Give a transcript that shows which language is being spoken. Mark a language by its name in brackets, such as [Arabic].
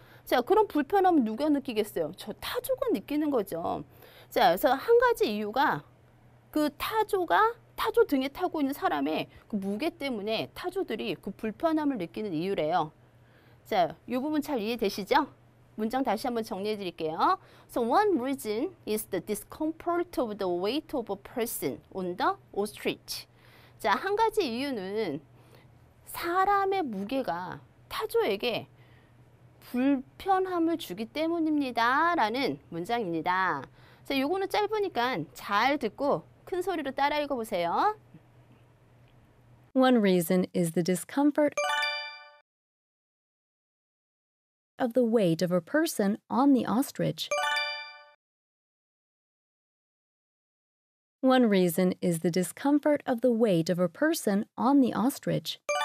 [Korean] 자, 그런 불편함은 누가 느끼겠어요? 저 타조가 느끼는 거죠. 자, 그래서 한 가지 이유가 그 타조가 타조 등에 타고 있는 사람의 그 무게 때문에 타조들이 그 불편함을 느끼는 이유래요. 자, 이 부분 잘 이해되시죠? 문장 다시 한번 정리해 드릴게요. [English] So one reason is the discomfort of the weight of a person on the ostrich. [Korean] 자, 한 가지 이유는 사람의 무게가 타조에게 불편함을 주기 때문입니다. 라는 문장입니다. 자, 요거는 짧으니까 잘 듣고 큰 소리로 따라 읽어보세요. [English] One reason is the discomfort of the weight of a person on the ostrich. One reason is the discomfort of the weight of a person on the ostrich.